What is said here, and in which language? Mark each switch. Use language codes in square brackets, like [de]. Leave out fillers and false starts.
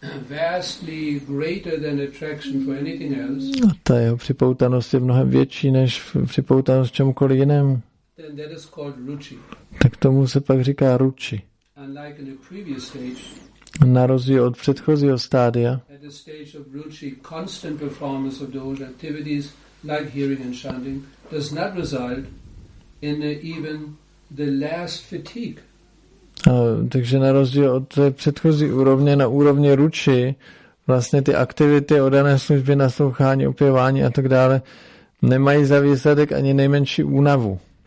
[en] Vastly greater than attraction for anything else. [cs] A ta jeho připoutanost je mnohem větší než připoutanost čemukoliv jinému. [en] Then that is called ruchi. [cs] Tak tomu se pak říká ruchi. [en] Unlike in the previous stage, [cs] na rozdíl od předchozího stádia, [en] at the stage of ruchi, constant performance of those activities like hearing and chanting does not result in even the last fatigue. [cs] Takže na rozdíl od té předchozí úrovně, na úrovni ruchi, vlastně ty aktivity o dané službě, naslouchání, opěvání a tak dále, nemají za výsledek ani nejmenší únavu.